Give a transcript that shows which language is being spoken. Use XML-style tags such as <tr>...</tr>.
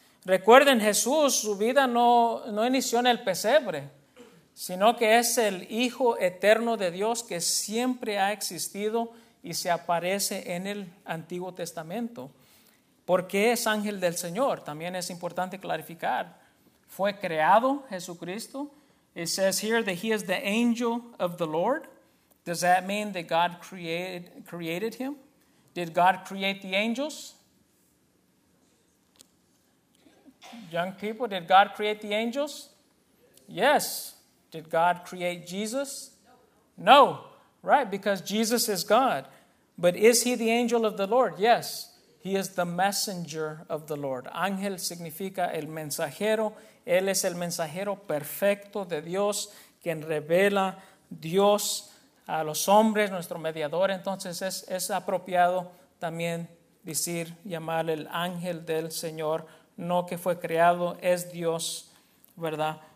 <es>Recuerden, Jesús, su vida no inició en el pesebre, sino que es el Hijo eterno de Dios que siempre ha existido y se aparece en el Antiguo Testamento. ¿Por qué es ángel del Señor? También es importante clarificar. ¿Fue creado Jesucristo?</es> <en>It says here that he is the angel of the Lord. Does that mean that God created him? Did God create the angels? Young people, did God create the angels? Yes. Did God create Jesus? No. Right, because Jesus is God. But is he the angel of the Lord? Yes. He is the messenger of the Lord.</en> <es>Ángel significa el mensajero. Él es el mensajero perfecto de Dios, quien revela Dios a los hombres, nuestro mediador. Entonces es apropiado también decir, llamarle el ángel del Señor, no que fue creado, es Dios, ¿verdad?</es>